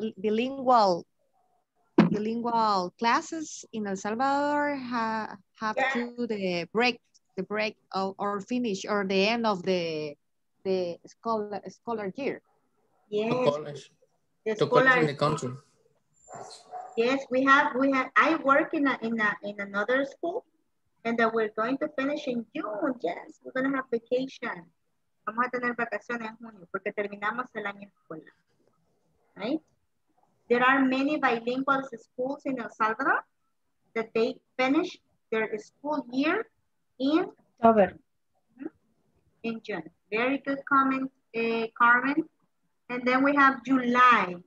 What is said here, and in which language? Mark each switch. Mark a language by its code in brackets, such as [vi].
[en] bilingual classes in El Salvador have to the break or finish or the end of the scholar year. Yes. To college in the country. Yes, we have. I work in another school, and that we're going to finish in June. Yes, we're gonna have vacation. [es] Vamos a tener vacaciones en junio porque terminamos el año escolar. [en] Right? There are many bilingual schools in El Salvador that they finish their school year in October. In June. Very good comment, Carmen. And then we have July.